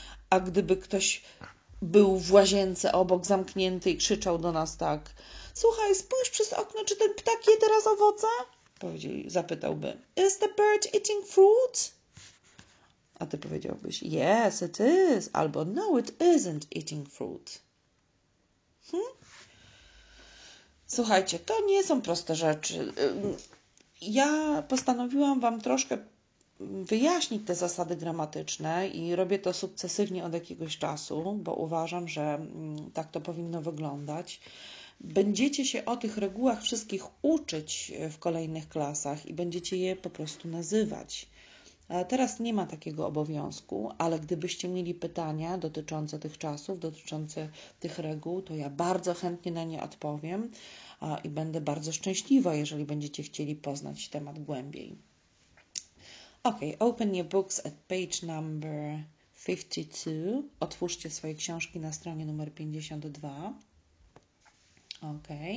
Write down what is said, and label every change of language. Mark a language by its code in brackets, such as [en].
[pl] A gdyby ktoś był w łazience obok zamknięty i krzyczał do nas tak: słuchaj, spójrz przez okno, czy ten ptak je teraz owoce? [en] Zapytałby: is the bird eating fruit? [pl] A ty powiedziałbyś: [en] yes, it is. Albo: no, it isn't eating fruit. [pl] Słuchajcie, to nie są proste rzeczy. Ja postanowiłam wam troszkę wyjaśnić te zasady gramatyczne i robię to sukcesywnie od jakiegoś czasu, bo uważam, że tak to powinno wyglądać. Będziecie się o tych regułach wszystkich uczyć w kolejnych klasach i będziecie je po prostu nazywać. Teraz nie ma takiego obowiązku, ale gdybyście mieli pytania dotyczące tych czasów, dotyczące tych reguł, to ja bardzo chętnie na nie odpowiem i będę bardzo szczęśliwa, jeżeli będziecie chcieli poznać temat głębiej. [en] Ok, open your books at page number 52. [pl] Otwórzcie swoje książki na stronie numer 52. Ok.